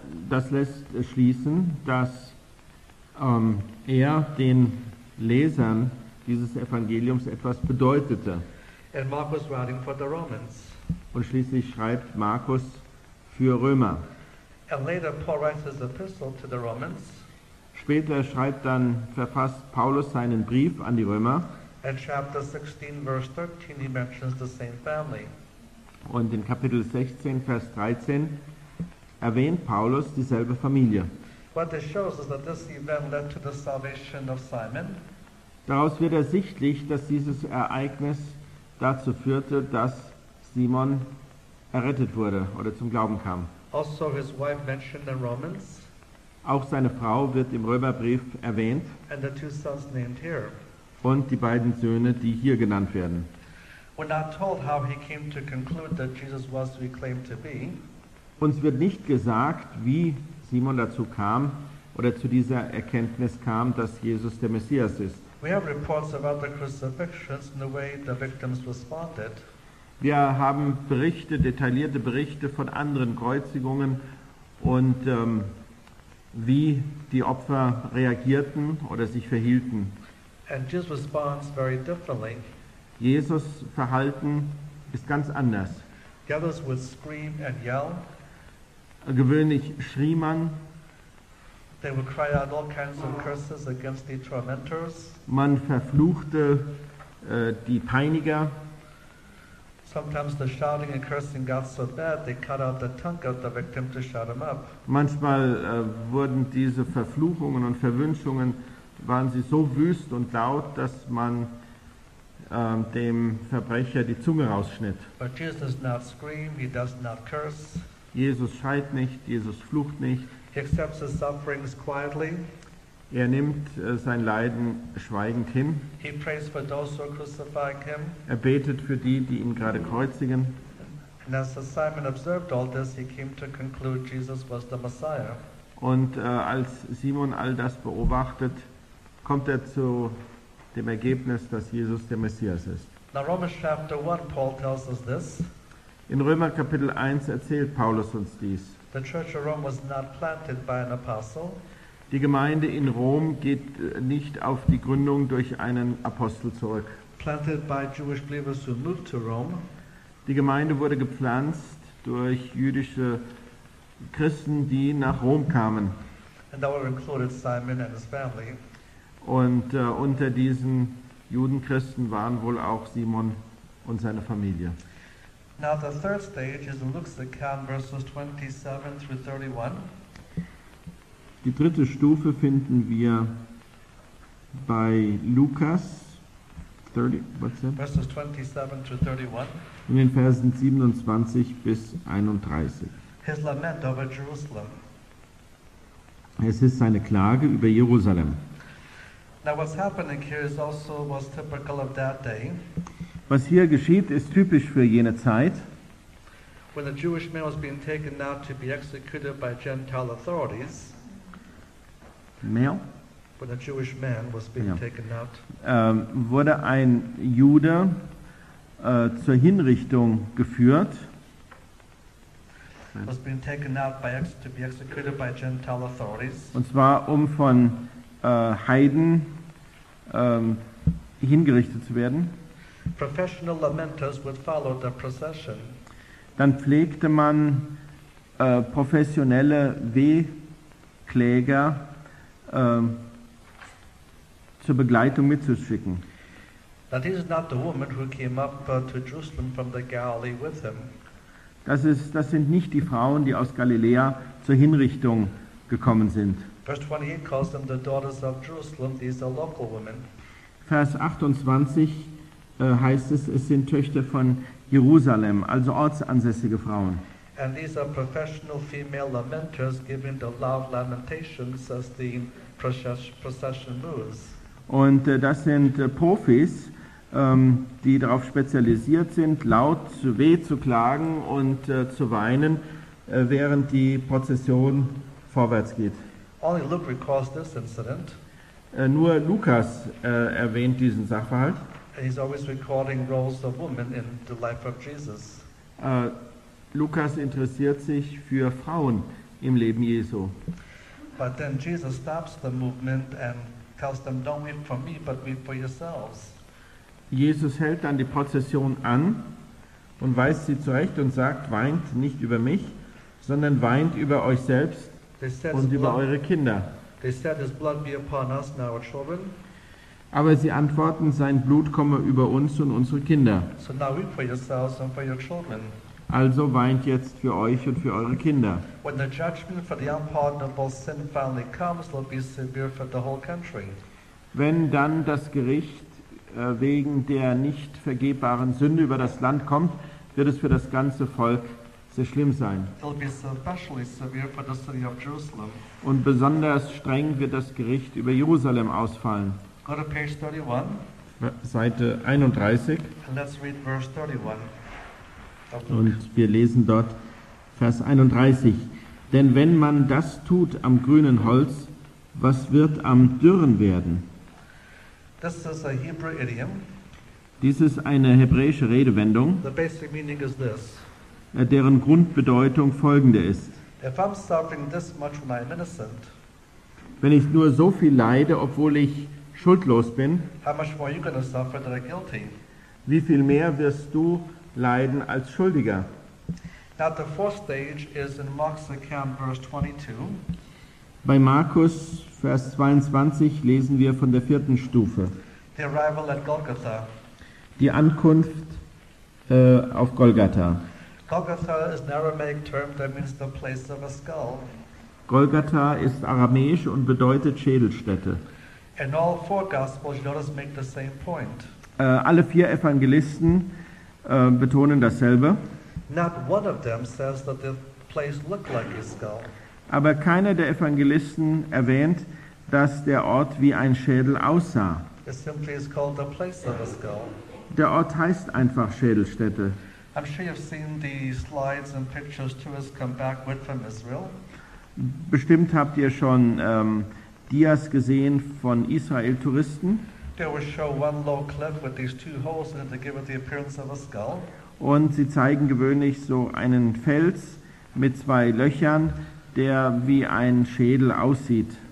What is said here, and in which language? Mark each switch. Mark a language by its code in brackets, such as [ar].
[de] Das lässt schließen, dass er den Lesern dieses Evangeliums etwas bedeutete. [en] And Mark was writing for the Romans. [de] Und schließlich schreibt Markus für Römer. [en] And later Paul writes his epistle to the Romans. [de] Später schreibt dann, verfasst Paulus seinen Brief an die Römer. [en] In chapter 16, verse 13, he mentions the same family. [de] Und in Kapitel 16, Vers 13, erwähnt Paulus dieselbe Familie. [en] What this shows is that this event led to the salvation of Simon. [de] Daraus wird ersichtlich, dass dieses Ereignis dazu führte, dass Simon errettet wurde oder zum Glauben kam. [en] Also his wife mentioned in Romans. [de] Auch seine Frau wird im Römerbrief erwähnt. [en] And the two sons named here. [de] Und die beiden Söhne, die hier genannt werden. [en] We're not told how he came to conclude that Jesus was who he claimed to be. [de] Uns wird nicht gesagt, wie Simon dazu kam oder zu dieser Erkenntnis kam, dass Jesus der Messias ist. [en] We have reports about the crucifixions and the way the victims were spotted. [de] Wir haben Berichte, detaillierte Berichte von anderen Kreuzigungen und wie die Opfer reagierten oder sich verhielten. [en] And Jesus responds very differently. [de] Jesus' Verhalten ist ganz anders. [en] The others would scream and yell. [de] Gewöhnlich schrie man. [en] They would cry out all kinds of curses against the tormentors. [de] Man verfluchte die Peiniger. [en] Sometimes the shouting and cursing got so bad they cut out the tongue of the victim to shut him up. [de] Manchmal wurden diese Verfluchungen und Verwünschungen waren sie so wüst und laut, dass man dem Verbrecher die Zunge rausschnitt. [en] But Jesus does not scream, he does not curse. [de] Jesus schreit nicht, Jesus flucht nicht. [en] He accepts his sufferings quietly. [de] Er nimmt sein Leiden schweigend hin. [en] He prays for those who are crucifying him. [de] Er betet für die, die ihn gerade kreuzigen. [en] And as Simon observed all this, he came to conclude Jesus was the Messiah. [de] Und als Simon all das beobachtet, kommt er zu dem Ergebnis, dass Jesus der Messias ist. [en] Now Romans chapter 1, Paul tells us this. [de] In Römer Kapitel 1 erzählt Paulus uns dies. [en] The church of Rome was not planted by an apostle. [de] Die Gemeinde in Rom geht nicht auf die Gründung durch einen Apostel zurück. [en] Planted by Jewish believers who moved to Rome. [de] Die Gemeinde wurde gepflanzt durch jüdische Christen, die nach Rom kamen. [en] And that would have included Simon and his family. [de] Und unter diesen Judenchristen waren wohl auch Simon und seine Familie. [en] Now the third stage is in Luke's account, verses 27 through 31. [de] Die dritte Stufe finden wir bei Lukas 27-31. In den Versen 27 bis 31. [en] His lament over Jerusalem. [de] Es ist seine Klage über Jerusalem. [en] Now what's happening here is also was typical of that day. [de] Was hier geschieht, ist typisch für jene Zeit. [en] When a Jewish man was being taken now to be executed by Gentile authorities. Male? When a Jewish man was being taken out. [de] Wurde ein Jude zur Hinrichtung geführt. [en] Was being taken out by to be executed by Gentile authorities. [de] Und zwar um von Heiden hingerichtet zu werden. [en] Professional lamenters would follow the procession. [de] Dann pflegte man professionelle Wehkläger zur Begleitung mitzuschicken. [en] That is not the woman who came up to Jerusalem from the Galilee with him. [de] Das sind nicht die Frauen, die aus Galiläa zur Hinrichtung gekommen sind. [en] Verse 28 calls them the daughters of Jerusalem. These are local women. [de] Vers 28 heißt es, es sind Töchter von Jerusalem, also ortsansässige Frauen. [en] And these are professional female lamenters giving the loud lamentations as the procession moves. [de] Und das sind Profis, die darauf spezialisiert sind, laut zu weh zu klagen und zu weinen, während die Prozession vorwärts geht. [en] Only Luke recalls this incident. [de] Nur Lukas erwähnt diesen Sachverhalt. [en] He's always recording roles of women in the life of Jesus. [de] Lukas interessiert sich für Frauen im Leben Jesu. [en] But then Jesus stops the movement and tells them, don't weep for me, but weep for yourselves. [de] Jesus hält dann die Prozession an und weist sie zurecht und sagt, weint nicht über mich, sondern weint über euch selbst und über eure Kinder. [en] They said, his blood be upon us and our children. [de] Aber sie antworten, sein Blut komme über uns und unsere Kinder. [en] So now weep for yourselves and for your children. [de] Also weint jetzt für euch und für eure Kinder. [en] When the judgment for the unpardonable sin finally comes, it'll be severe for the whole country. [de] Wenn dann das Gericht wegen der nicht vergebbaren Sünde über das Land kommt, wird es für das ganze Volk sehr schlimm sein. [en] It'll be especially severe for the city of Jerusalem. [de] Und besonders streng wird das Gericht über Jerusalem ausfallen. [en] Go to page 31. [de] Seite 31. [en] And let's read verse 31. [de] Und wir lesen dort Vers 31. Denn wenn man das tut am grünen Holz, was wird am dürren werden? [en] This is a Hebrew idiom. [de] Dies ist eine hebräische Redewendung, [en] the basic meaning is this. [de] Deren Grundbedeutung folgende ist. [en] If I'm suffering this much when I'm innocent, [de] wenn ich nur so viel leide, obwohl ich schuldlos bin, [en] how much more are you going to suffer than a guilty? [de] Wie viel mehr wirst du leiden als Schuldiger. [en] Now the fourth stage is in Mark's account, verse 22. [de] Bei Markus, Vers 22, lesen wir von der vierten Stufe. [en] The arrival at Golgotha. [de] Die Ankunft auf Golgatha. [en] Golgatha is an Aramaic term that means the place of a skull. [de] Golgatha ist aramäisch und bedeutet Schädelstätte. [en] And all four Gospels, you notice, make the same point. [de] Alle vier Evangelisten betonen dasselbe. [en] Not one of them says that the place looked like a skull. [de] Aber keiner der Evangelisten erwähnt, dass der Ort wie ein Schädel aussah. [en] It simply is called the place of a skull. [de] Der Ort heißt einfach Schädelstätte. [en] I'm sure you've seen the slides and pictures tourists come back with from Israel. [de] Bestimmt habt ihr schon Dias gesehen von Israel-Touristen. [en] They will show one little clip with these two holes in it to give it the appearance of a skull. [de] Und sie zeigen gewöhnlich so einen Fels mit zwei Löchern, der wie ein Schädel aussieht.